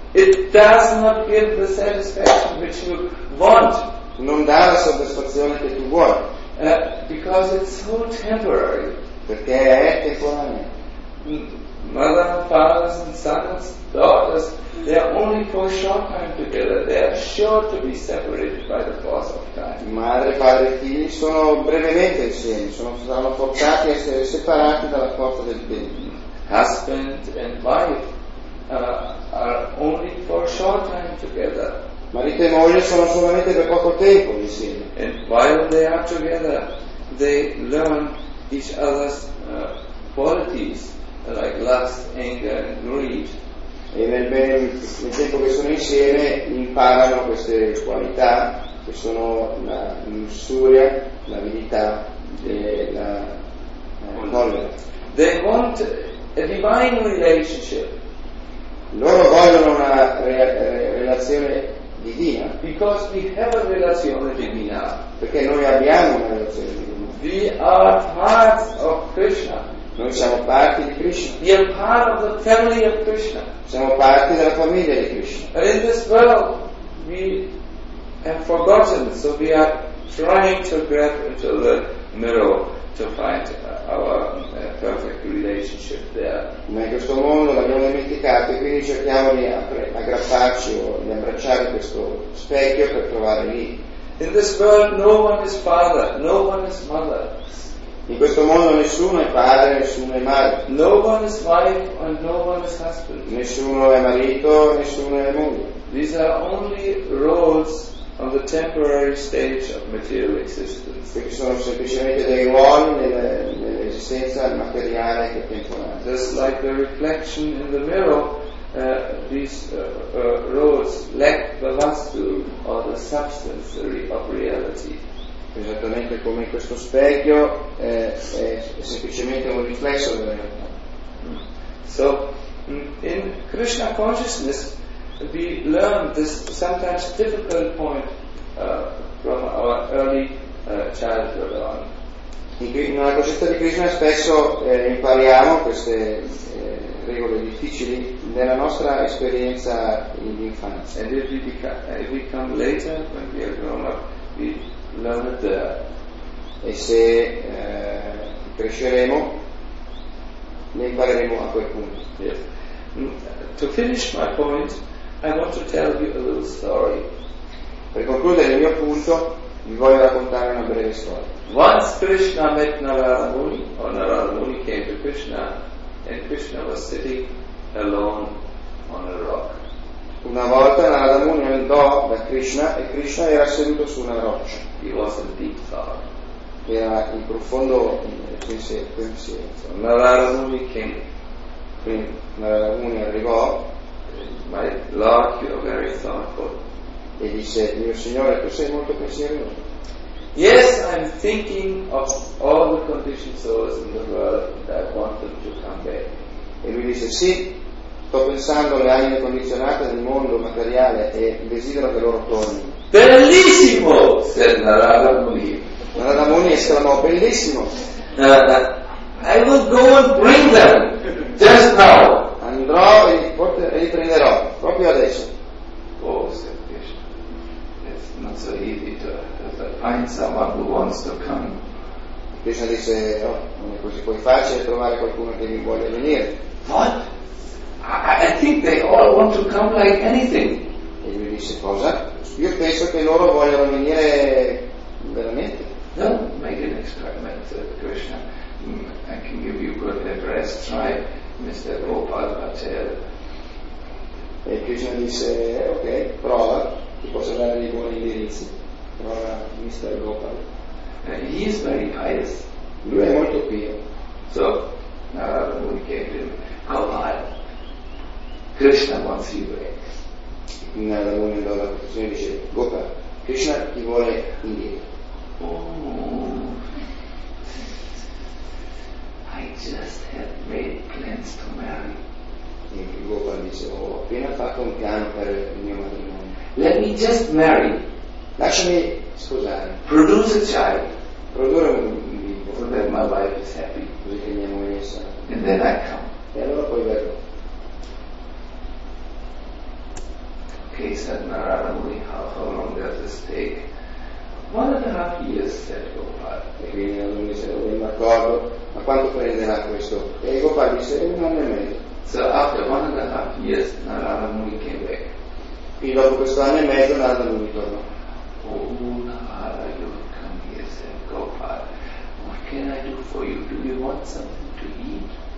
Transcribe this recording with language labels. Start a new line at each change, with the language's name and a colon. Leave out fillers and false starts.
English: It does not give the satisfaction which you want.
Italian: Non dà la soddisfazione che tu vuoi.
English: Because it's so temporary.
Italian: Perché è temporaneo.
English: Mother, fathers and sons, daughters, they are only for a short time together. They are sure to be separated by the force of time.
Italian: Madre, padre e figli sono brevemente insieme, saranno forzati a essere separati dalla forza del tempo.
English: Husband and wife are only for a short time together.
Italian: Marito e moglie sono solamente per poco tempo insieme.
English: And while they are together, they learn each other's qualities, like lust, anger and greed.
Italian: E nel tempo che sono insieme imparano queste qualità che sono la lussuria, l'avidità e la collera.
English: They want a divine relationship.
Italian: Loro vogliono una relazione divina.
English: Because we have a
Italian: relazione divina. Perché noi abbiamo una relazione divina.
English: We are parts of Krishna.
Italian: Noi siamo parte di Krishna.
English: We are part of the family of Krishna.
Italian: Siamo parte della famiglia di Krishna.
English: But in this world, we have forgotten, so we are trying to grab into the middle to find our perfect relationship there.
Italian: Ma in questo mondo l'abbiamo dimenticato e quindi cerchiamo di aggrapparci o di abbracciare questo specchio per trovare lì.
English: In this world, no one is father, no one is mother.
Italian: In questo mondo nessuno è padre, nessuno è madre.
English: No one is wife and no one is husband.
Italian: Nessuno è marito, nessuno è moglie.
English: These are only roles on the temporary stage of material existence.
Italian: Perché sono semplicemente dei ruoli nell'esistenza materiale che è temporanea.
English: Just like the reflection in the mirror, these roles lack the vastu or the substance of reality.
Italian: Esattamente come in questo specchio è semplicemente un riflesso della realtà.
English: So in Krishna consciousness we learn this sometimes difficult point from our early childhood on.
Italian: Nella coscienza di Krishna spesso impariamo queste regole difficili nella nostra esperienza in infanzia.
English: And if we come later when we are grown up, we learn it there.
Italian: E se cresceremo, ne impareremo a quel punto.
English: Yes. To finish my point, I want to tell you a little story.
Italian: Per concludere il mio punto, vi voglio raccontare una breve storia.
English: Once Krishna met Narada Muni, or Narada Muni came to Krishna, and Krishna was sitting alone on a rock.
Italian: Una volta Narada Muni andò da Krishna e Krishna era seduto su una roccia.
English: He was in deep thought.
Italian: Era in profondo pensiero.
English: Narada Muni came.
Italian: Quindi Narada Muni arrivò.
English: My Lord, you are very thoughtful.
Italian: E disse: mio signore, tu sei molto pensieroso.
English: Yes, I'm thinking of all the conditioned souls in the world that want them to come back.
Italian: E lui dice: sì, sto pensando alle anime condizionate del mondo materiale e desidero che loro tornino. Bellissimo!
English: Said Narada Muni.
Italian: Narada Muni esclamò: bellissimo!
English: I will go and bring them just now.
Italian: Andrò e li prenderò proprio adesso.
English: Oh, said Krishna. It's not so easy to find someone who wants to come.
Italian: Krishna dice: no, non è così poi facile trovare qualcuno che mi vuole venire.
English: What? I think they all want to come like anything.
Italian: E lui disse: cosa? Io penso che loro vogliono venire veramente.
English: No, make an experiment, Krishna. I can give you good address. Try Mr. Gopal Patel.
Italian: E Krishna disse: ok, prova, ti posso dare dei buoni indirizzi. Prova Mr. Gopal.
English: He is very pious.
Italian: Lui è molto pio.
English: So, Narada Muni came to him. Gopal, Krishna wants you back.
Italian: Narada Muni andò alla professione e dice: Gopal, Krishna ti vuole indietro.
English: Oh, I just had made plans to marry.
Italian: E Gopal dice: ho appena fatto un piano per il mio matrimonio.
English: Let me just marry.
Italian: Lasciami sposare.
English: Produce a child.
Italian: Produrre un bimbo.
English: So that my wife is happy.
Italian: Così che mia moglie sa.
English: And then I come.
Italian: E allora poi verrò.
English: Okay, said Narada Muni. How long does this take? 1.5 years, said Gopal.
Italian: E quindi non mi sono ben d'accordo. Ma quanto prenderà questo? E Gopal dice: 1 anno e mezzo.
English: So after 1.5 years, Narada Muni came back.
Italian: Quindi dopo questo anno e mezzo, Narada Muni tornò.
English: Oh, Narada, you come here, said Gopal. What can I do for you? Do you want something to eat?